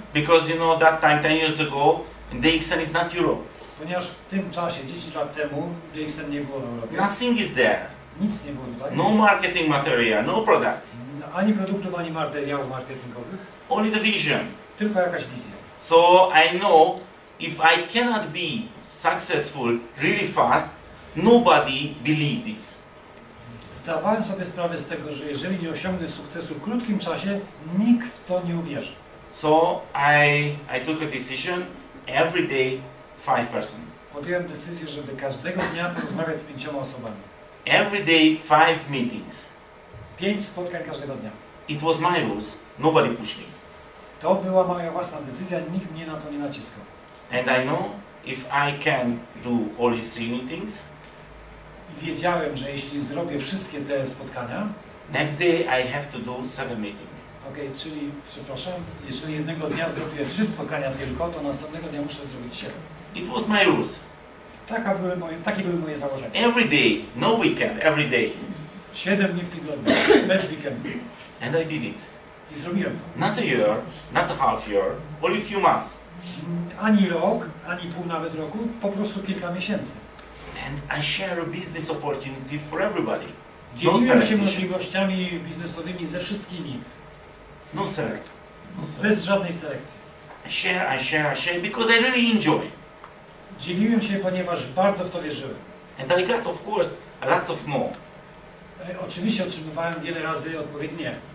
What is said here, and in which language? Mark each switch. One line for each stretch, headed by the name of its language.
English: Because you know that time 10 years ago DXN is not Europe.
Polish: Ponieważ w tym czasie, 10 lat temu, DXM nie było w Europie.
English: Nothing is there.
Polish: Nic nie było tutaj.
English: No marketing material, no products.
Polish: Ani produktów, ani materiałów marketingowych.
English: Only the vision.
Polish: Tylko jakaś wizja.
English: So I know, if I cannot be successful really fast, nobody believe this.
Polish: Zdawałem sobie sprawę z tego, że jeżeli nie osiągnę sukcesu w krótkim czasie, nikt w to nie uwierzy.
English: So I took a decision every day. 5%.
Polish: Podjąłem decyzję, żeby każdego dnia rozmawiać z 5 osobami.
English: Every day 5 meetings.
Polish: 5 spotkań każdego dnia.
English: It was my rules. Nobody pushed me.
Polish: To była moja własna decyzja, nikt mnie na to nie naciskał.
English: And I know if I can do all these 3 meetings.
Polish: I wiedziałem, że jeśli zrobię wszystkie te spotkania,
English: next day I have to do 7 meetings.
Polish: Okej, czyli przepraszam, jeżeli jednego dnia zrobię 3 spotkania tylko, to następnego dnia muszę zrobić 7.
English: It was my rules.
Polish: Takie były moje założenia.
English: Every day, no weekend, every day.
Polish: 7 dni w tygodniu, bez weekendu.
English: And I did it.
Polish: I zrobiłem to.
English: Not a year, not a half year, only few months.
Polish: Ani rok, ani pół nawet roku, po prostu kilka miesięcy.
English: And I share a business opportunity for everybody.
Polish: Dzieliłem się możliwościami biznesowymi ze wszystkimi. No selekcji. Bez żadnej selekcji.
English: I share, because I really enjoy.
Polish: Dzieliłem się, ponieważ bardzo w to wierzyłem.
English: And I got, of course, lots of no.
Polish: Oczywiście otrzymywałem wiele razy odpowiedź nie.